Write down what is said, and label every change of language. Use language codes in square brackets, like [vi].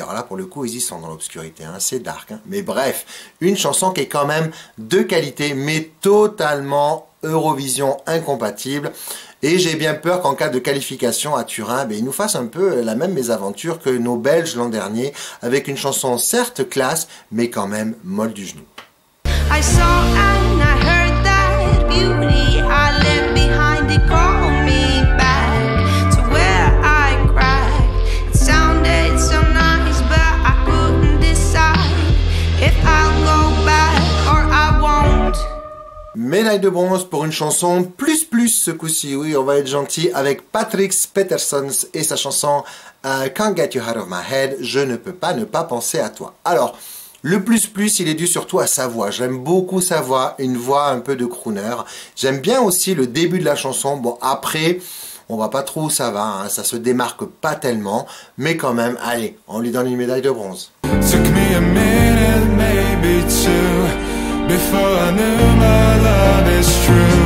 [fr] Alors là, pour le coup, ils y sont dans l'obscurité, hein, c'est dark. Hein. Mais bref, une chanson qui est quand même de qualité, mais totalement Eurovision incompatible. Et j'ai bien peur qu'en cas de qualification à Turin, ils nous fassent un peu la même mésaventure que nos Belges l'an dernier, avec une chanson certes classe, mais quand même molle du genou. [en] I saw and I heard that beauty I left behind, it called me back to where I cried. It sounded so nice, but I couldn't decide if I'll go back or I won't. [fr] Médaille de bronze pour une chanson plus plus ce coup-ci, oui, on va être gentil, avec Patrick Petersons et sa chanson « Can't get you out of my head »,« Je ne peux pas ne pas penser à toi ». Alors, le plus-plus, il est dû surtout à sa voix. J'aime beaucoup sa voix, une voix un peu de crooner. J'aime bien aussi le début de la chanson. Bon, après, on voit pas trop où ça va, hein. Ça se démarque pas tellement. Mais quand même, allez, on lui donne une médaille de bronze. [en] Took me a minute, maybe two, before I knew my love is true.